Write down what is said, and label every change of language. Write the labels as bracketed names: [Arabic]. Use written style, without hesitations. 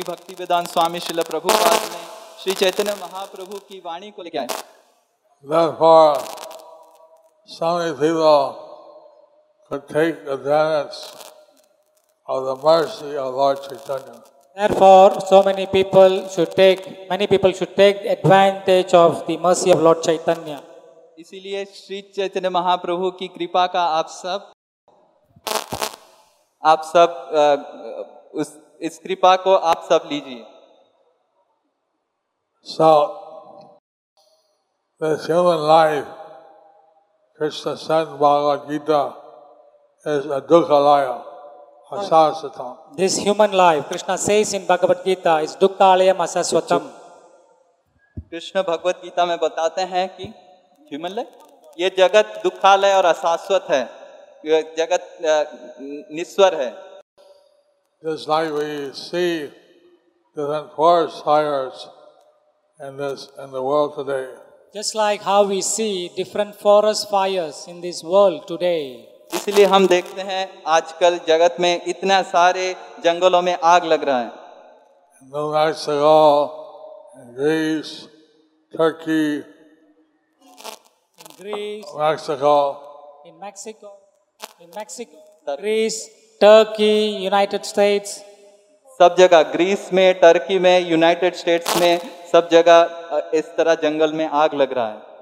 [Hindi] Bhaktivedanta Swami Srila Prabhupada ne Shri Chaitanya Mahaprabhu की वाणी को लेकर आए. [English] Therefore, so many people could take advantage of the mercy of Lord Chaitanya. Therefore, so many people should take, many people should take advantage of the mercy of Lord Chaitanya. [Hindi] इसीलिए श्री चैतन्य महाप्रभु की कृपा का आप सब उस इस कृपा को आप सब लीजिए. [English] So this human life, Krishna said in Bhagavad Gita, is a dukkhalaya, asaswatam. This human life, Krishna says in Bhagavad Gita, is dukkhalaya asaswatam. [Hindi] Krishna Bhagavad Gita mein batate hain ki [English] human life, [Hindi] ye jagat dukkhalaya aur asaswat hai, ye jagat niswar hai. [English] This life we see different forest fires in the world today. Just like how we see different forest fires in this world today. [Hindi] इसलिए हम देखते हैं आजकल जगत में इतने सारे जंगलों में आग लग रहा है. [English] No nights at all in Greece, Turkey. In Greece. Mexico. In Mexico. In Mexico. Greece, Turkey, United States. [Hindi] सब जगह ग्रीस में टर्की में यूनाइटेड स्टेट्स में सब जगह इस तरह जंगल में आग लग रहा है.